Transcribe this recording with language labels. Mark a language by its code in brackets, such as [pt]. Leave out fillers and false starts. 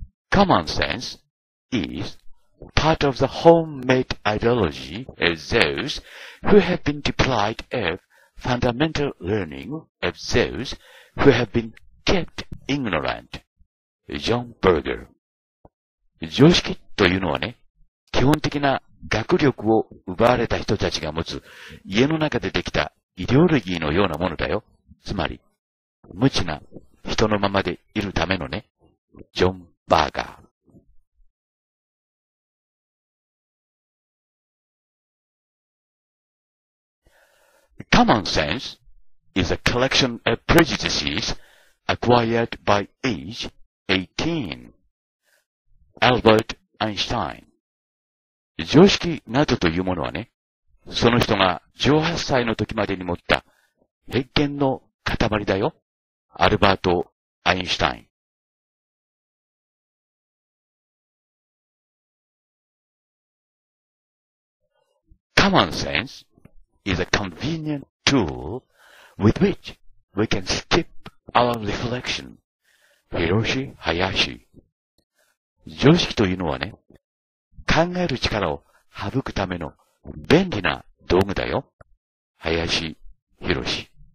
[en] Common sense is part of the homemade ideology of those who have been deprived of fundamental learning of those who have been kept ignorant. John Berger. [ja] 常識というのはね、基本的な学力を奪われた人たちが持つ家の中でできたイデオロギーのようなものだよ。つまり、無知な人のままでいるためのね、ジョン・バーガー。 [en] Common sense is a collection of prejudices acquired by age 18. Albert Einstein. [ja] 常識などというものはね、その人が18歳の時までに持った偏見の塊だよ。アルバート・アインシュタイン。 [en] Common sense is a convenient tool with which we can skip our reflection. Hiroshi Hayashi. [ja] 常識というのはね、考える力を省くための便利な道具だよ。林博士。